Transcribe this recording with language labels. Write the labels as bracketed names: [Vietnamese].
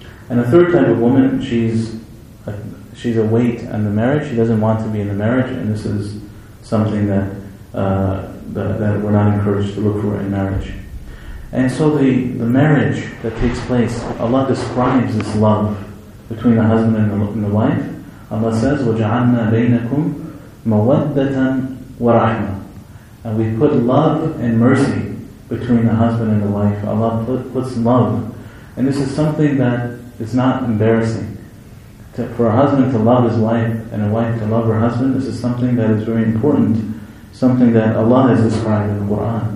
[English] And a third type of woman, she's a weight on the marriage. She doesn't want to be in the marriage, and this is something that that we're not encouraged to look for in marriage. And so the marriage that takes place, Allah describes this love between the husband and the wife. [Arabic] Allah says, وَجَعَلْنَا بَيْنَكُمْ مَوَدَّةً وَرَحْمَةً. [English] And we put love and mercy between the husband and the wife. Allah puts love. And this is something that is not embarrassing. For a husband to love his wife and a wife to love her husband, this is something that is very important. Something that Allah has described in the Quran.